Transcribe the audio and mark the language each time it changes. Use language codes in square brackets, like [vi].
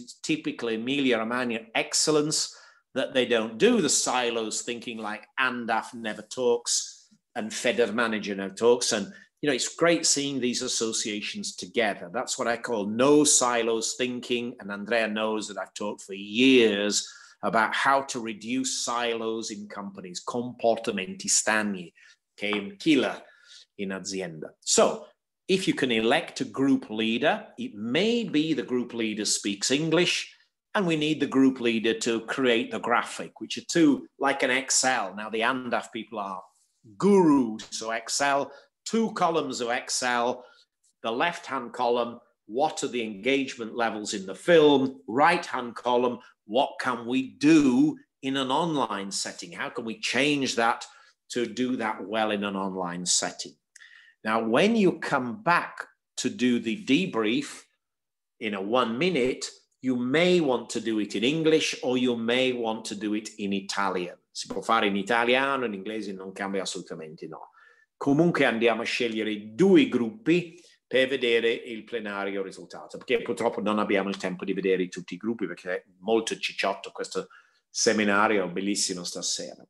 [en] It's typically Emilia-Romagna excellence that they don't do the silos thinking like Andaf never talks and Federmanager never talks. And, you know, it's great seeing these associations together. That's what I call no silos thinking. And Andrea knows that I've talked for years about how to reduce silos in companies. [it] Comportamenti stagni, che è un killer in azienda. [en] So if you can elect a group leader, it may be the group leader speaks English, and we need the group leader to create the graphic, which are two, like an Excel. Now the Andaf people are gurus, so Excel, 2 columns of Excel. The left-hand column, what are the engagement levels in the film? Right-hand column, what can we do in an online setting? How can we change that to do that well in an online setting? Now, when you come back to do the debrief in a 1 minute, you may want to do it in English, or you may want to do it in Italian. [it] Si può fare in italiano, in inglese non cambia assolutamente, no. Comunque andiamo a scegliere 2 gruppi per vedere il plenario risultato, perché purtroppo non abbiamo il tempo di vedere tutti i gruppi, perché è molto cicciotto questo seminario bellissimo stasera.